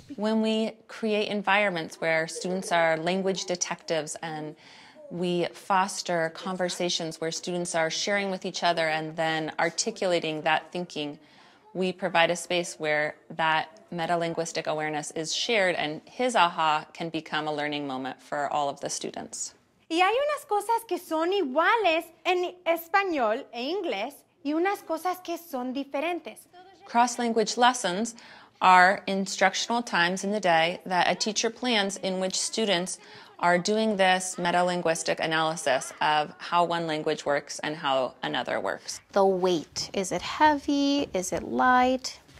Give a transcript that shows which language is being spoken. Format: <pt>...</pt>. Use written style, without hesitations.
<en>When we create environments where students are language detectives and we foster conversations where students are sharing with each other and then articulating that thinking, we provide a space where that metalinguistic awareness is shared and his aha can become a learning moment for all of the students.</en> <es>Y hay unas cosas que son iguales en español e inglés. Y unas cosas que son diferentes.</es> <en>Cross-language lessons are instructional times in the day that a teacher plans in which students are doing this metalinguistic analysis of how one language works and how another works. The weight, is it heavy? Is it light?</en>